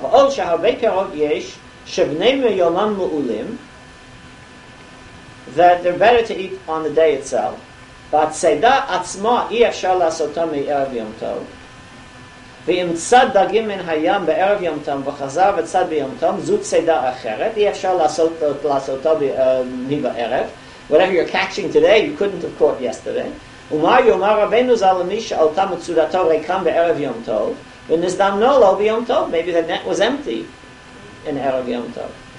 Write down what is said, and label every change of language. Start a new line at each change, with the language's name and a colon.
Hebrew: V'ol she'arvei perot yesh, she'vnei me'yomam mu'ulim,
English: that they're better to eat on the day itself.
Hebrew: But seida atzma i'efshar la'asoto v'yarav yom tov. ואם צד דגים מן הים בערב יום תום וחזר וצד ביום תום, זו צדה אחרת, אי אפשר לעשותו מבערב.
English: Whatever you're catching today, you couldn't have caught yesterday.
Hebrew: ומה יאמר רבנו זה למי שעלתה מצודתו ריקם בערב יום תום, ונזדמנו לו ביום תום?
English: Maybe the net was empty in ערב יום תום.